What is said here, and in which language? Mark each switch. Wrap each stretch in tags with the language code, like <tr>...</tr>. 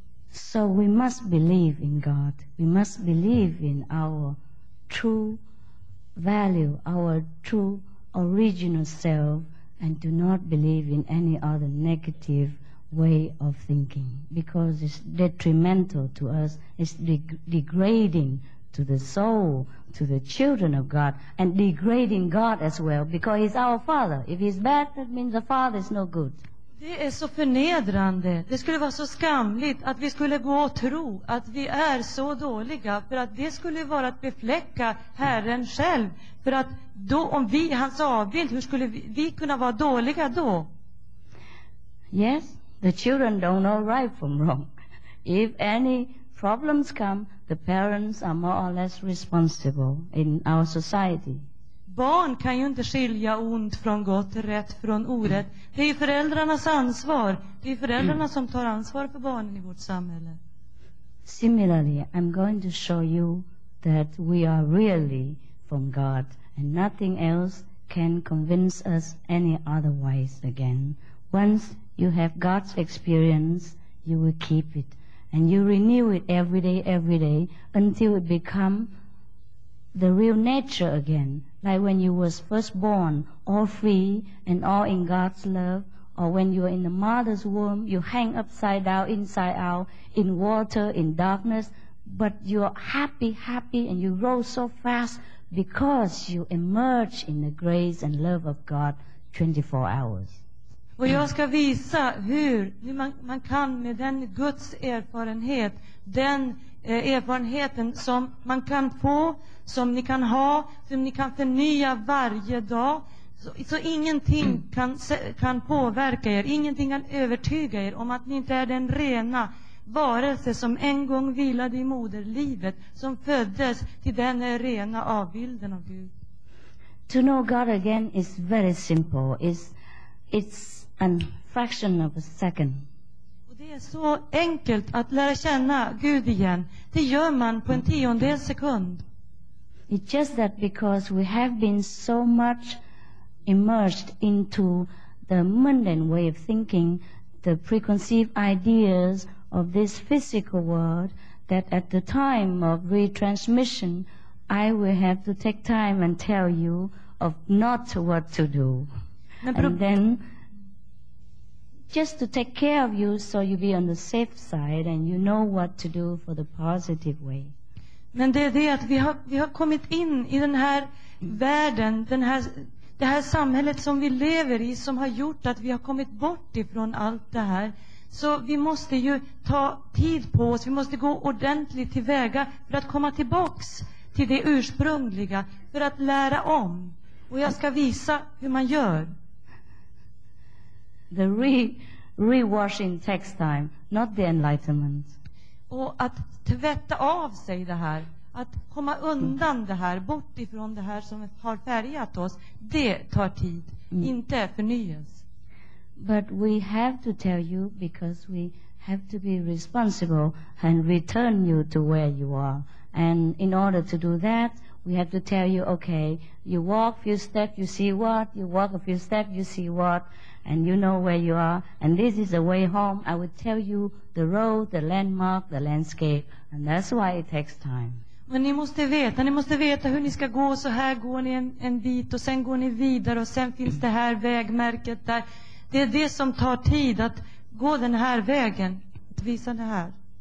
<en>So we must believe in God. We must believe in our true value, our true original self, and do not believe in any other negative way of thinking, because it's detrimental to us. It's degrading to the soul, to the children of God, and degrading God as well, because He's our Father. If He's bad, that means the Father is no good.</en> <sv>Det är så förnedrande. Det skulle vara så skamligt att vi skulle gå och tro att vi är så dåliga, för att det skulle vara att befläcka Herren själv. För att då, om vi hans avbild, hur skulle vi kunna vara dåliga då?</sv> <en>Yes, the children don't know right from wrong. If any problems come, the parents are more or less responsible in our society.</en> <sv>Barn kan ju inte skilja ont från gott, rätt från orätt. Det är föräldrarnas ansvar. Det är föräldrarna som tar ansvar för barnen i vårt samhälle.</sv> <en>Similarly, I'm going to show you that we are really from God, and nothing else can convince us any otherwise again. Once you have God's experience, you will keep it, and you renew it every day, until it become the real nature again. Like when you was first born, all free and all in God's love, or when you were in the mother's womb, you hang upside down, inside out, in water, in darkness, but you're happy, happy, and you grow so fast because you emerge in the grace and love of God 24 hours.</en> <sv>Och jag ska visa hur man kan med den Guds erfarenhet, den erfarenheten som man kan få, som ni kan ha, som ni kan förnya varje dag, så ingenting kan påverka er, ingenting kan övertyga er om att ni inte är den rena varelse som en gång vilade i moderlivet, som föddes till den rena avbilden av Gud.</sv> <en>To know God again is very simple. It's a fraction of a second.</en> <sv>Det är så enkelt att lära känna Gud igen. Det gör man på en tiondel sekund.</sv> <en>It's just that because we have been so much immersed into the mundane way of thinking, the preconceived ideas of this physical world, that at the time of retransmission, I will have to take time and tell you of not what to do. And then just to take care of you so you be on the safe side and you know what to do for the positive way.</en> <sv>Men det är det att vi har kommit in i den här världen, det här samhället som vi lever i, som har gjort att vi har kommit bort ifrån allt det här. Så vi måste ju ta tid på oss, vi måste gå ordentligt tillväga för att komma tillbaks till det ursprungliga, för att lära om. Och jag ska visa hur man gör.</sv> <en>The rewashing takes time, not the enlightenment.</en> <sv>Och att tvätta av sig det här, att komma undan det här, bort ifrån det här som har färgat oss, det tar tid, inte förnyas.</sv> <en>But we have to tell you, because we have to be responsible and return you to where you are. And in order to do that, we have to tell you, okay, you walk a few steps, you see what, you walk a few steps, you see what, and you know where you are, and this is the way home. I will tell you the road, the landmark, the landscape, and that's why it takes time.</en> <sv>Men ni måste veta hur ni ska gå, så här går ni en bit, och sen går ni vidare, och sen finns det här vägmärket där. Det är det som tar tid, att gå den här vägen, att visa det här.</sv>